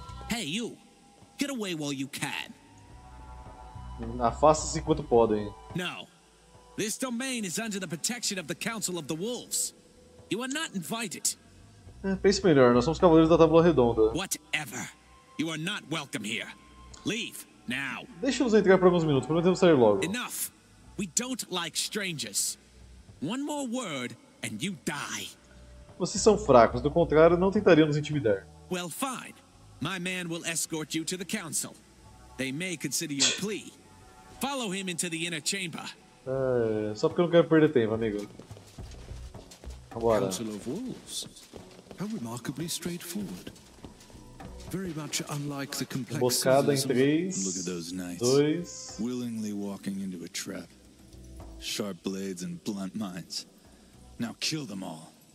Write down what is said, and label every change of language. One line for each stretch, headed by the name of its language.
English: Hey, you! Get away while you can!
Portuguese: Afaste-se enquanto podem.
English: No! This domain is under the protection of the Council of the Wolves. You are not invited.
Portuguese: Pense melhor, nós somos cavaleiros da Tábua Redonda.
English: Whatever! You are not welcome here. Leave, now!
Portuguese: Deixa-nos entrar por alguns minutos, prometemos sair logo.
English: Enough! We don't like strangers. One more word, and you die.
Portuguese: Vocês são fracos, do contrário, não tentariam nos intimidar.
English: Well, fine. My man will escort you to the council. They may consider your plea. Follow him into the inner chamber.
Portuguese: Só porque eu não quero perder tempo, amigo. Agora.
English: Council of Wolves. How remarkably straightforward. Very much unlike the complexities.
Portuguese: Emboscada em 3.
English: Look at those knights. 2. Willingly walking into a trap. Sharp blades and blunt minds. Now kill them all.